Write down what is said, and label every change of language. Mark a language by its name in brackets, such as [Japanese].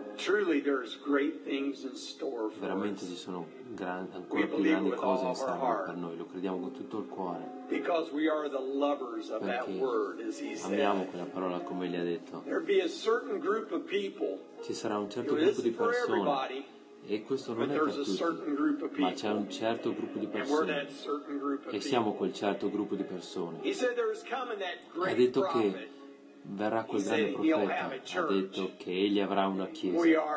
[English] Truly there is great things in store for [Italian] veramente ci sono ancora più grandi cose in serbo per noi, lo crediamo con tutto il cuore, [English] because we are the lovers of that word, as he said. [Italian] Amiamo quella parola come gli ha detto. [English] There be a certain group of people, [Italian] ci sarà un certo gruppo di persone, e questo non è per tutti, ma c'è un certo gruppo di persone, e siamo quel certo gruppo di persone. [English] He said there is coming that great, [Italian] ha detto che verrà quel grande profeta, ha detto che egli avrà una chiesa.